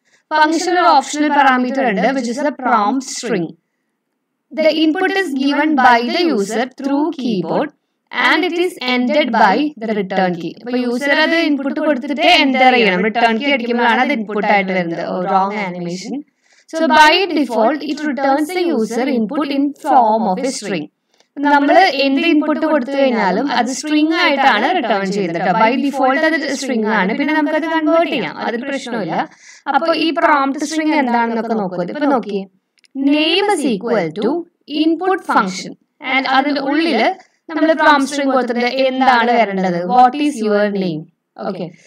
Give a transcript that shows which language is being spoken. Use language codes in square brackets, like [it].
[ml] Function ഒരു optional parameter ഉണ്ട്, [en] Which is the prompt string. The input is given by the user through keyboard and it is ended by the return key. [ml] അപ്പൊ user അത് input കൊടുത്തിട്ട് എൻഡർ ചെയ്യണം, return key അടിക്കുമ്പോഴാണ് അത് input ആയിട്ട് വരുന്നത്. [en] Wrong animation. So by default, it returns the user input in form of a string. [ml] നമ്മൾ എന്ത് input കൊടുത്തു കഴിഞ്ഞാലും അത് സ്ട്രിംഗ് ആയിട്ടാണ് റിട്ടേൺ ചെയ്യുന്നത്. ബൈ ഡിഫോൾട്ട് അത് സ്ട്രിംഗ് ആണ്, പിന്നെ നമുക്ക് അത് കൺവേർട്ട് ചെയ്യാം, അതിൽ പ്രശ്നമില്ല. അപ്പൊ ഈ പ്രോംപ്റ്റ് സ്ട്രിംഗ് എന്താണെന്നൊക്കെ നോക്കുക. ഇപ്പൊ നോക്കിയേ, [en] name is equal to input function [ml] and അതിൽ ഉള്ളില് നമ്മൾ പ്രോംപ്റ്റ് സ്ട്രിംഗ് കൊടുത്തിട്ട് എന്താണ് വരേണ്ടത്, [en] What is your name. [ml] Okay.